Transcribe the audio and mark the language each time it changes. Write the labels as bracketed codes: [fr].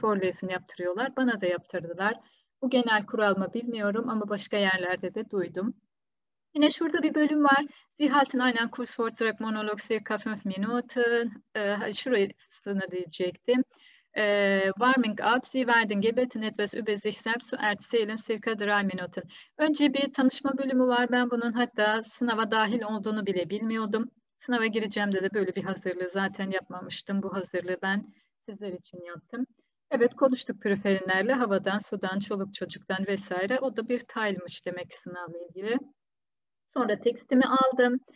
[tr] Forlesin yaptırıyorlar. Bana da yaptırdılar. Bu genel kural mı bilmiyorum ama başka yerlerde de duydum. Yine şurada bir bölüm var. [de] Sie halten einen Kurs Vortrag Monolog circa 5 Minuten. [tr] Şurasını diyecektim. [de] Warming up, Sie werden gebeten etwas über sich selbst zu erzählen circa 3 Minuten. [tr] Önce bir tanışma bölümü var. Ben bunun hatta sınava dahil olduğunu bile bilmiyordum. Sınava gireceğim de böyle bir hazırlığı zaten yapmamıştım. Bu hazırlığı ben sizler için yaptım. Evet, konuştuk periferinlerle, havadan, sudan, çoluk çocuktan vesaire. O da bir tile'mış demek sınavla ilgili. Sonra tekstimi aldım.